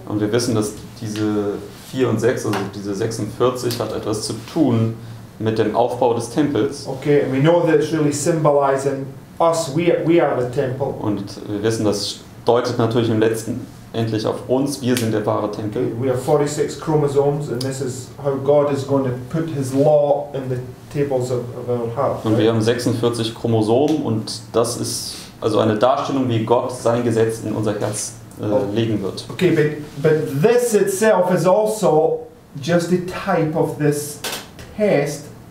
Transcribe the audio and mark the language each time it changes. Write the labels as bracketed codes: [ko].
[de] Und wir wissen, dass diese 4 und 6, also diese 46, hat etwas zu tun mit dem Aufbau des Tempels. [en] Okay, and we know that it's really symbolizing us. We are the temple. [de] Und wir wissen, das deutet natürlich im letzten endlich auf uns. Wir sind der wahre Tempel. [en] Okay, we have 46 chromosomes, and this is how God is going to put His law in the tables of our heart. [de] Und wir haben 46 Chromosomen, und das ist also eine Darstellung, wie Gott sein Gesetz in unser Herz legen wird. [en] Okay, but this itself is also just a type of this test.